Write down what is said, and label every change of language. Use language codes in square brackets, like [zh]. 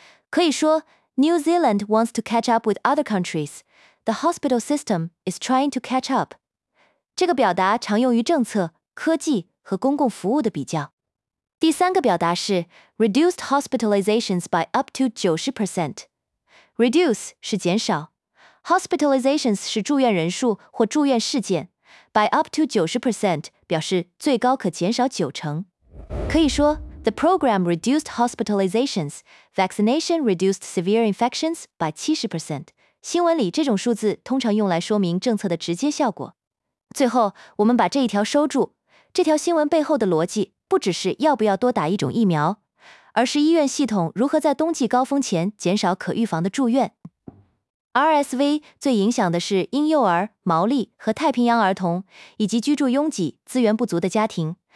[zh] 可以说 [en] New Zealand wants to catch up with other countries。 The hospital system is trying to catch up。 [zh] 这个表达常用于政策、科技和公共服务的比较。第三个表达是 [en] reduced hospitalizations by up to 90%。 [zh] Reduce 是减少。Hospitalizations 是住院人数或住院事件 ， [en] by up to 90% [zh] 表示最高可减少九成。可以说 [en] ，the program reduced hospitalizations, vaccination reduced severe infections by 70%。 [zh] 新闻里这种数字通常用来说明政策的直接效果。最后，我们把这一条收住。这条新闻背后的逻辑不只是要不要多打一种疫苗，而是医院系统如何在冬季高峰前减少可预防的住院。 RSV 最影响的是婴幼儿、毛利和太平洋儿童，以及居住拥挤、资源不足的家庭。